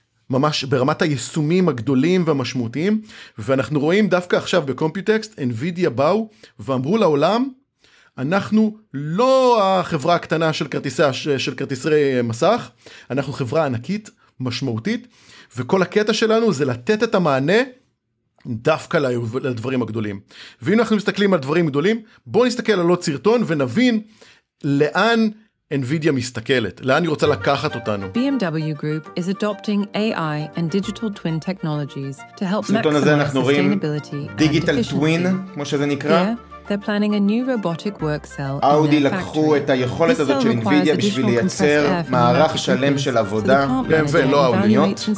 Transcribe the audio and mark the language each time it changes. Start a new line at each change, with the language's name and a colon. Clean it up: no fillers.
Hebrew: ממש ברמת היישומים הגדולים והמשמעותיים, ואנחנו רואים דווקא עכשיו בקומפיוטקסט, NVIDIA באו ואמרו לעולם, אנחנו לא החברה הקטנה של כרטיסי מסך, אנחנו חברה ענקית, משמעותית, וכל הקטע שלנו זה לתת את המענה, דווקא לדברים הגדולים. ואם אנחנו מסתכלים על דברים גדולים, בואו נסתכל על עוד סרטון ונבין לאן NVIDIA מסתכלת, לאן היא רוצה לקחת אותנו.
English: BMW Group is adopting AI and digital twin technologies to help
Hebrew: סרטון הזה אנחנו רואים digital twin, כמו שזה נקרא.
English: They're planning a new robotic work cell.
Hebrew: אודי לקחו את היכולת הזאת של NVIDIA בשביל לייצר מערך שלם של עבודה, BMW לא אודיות,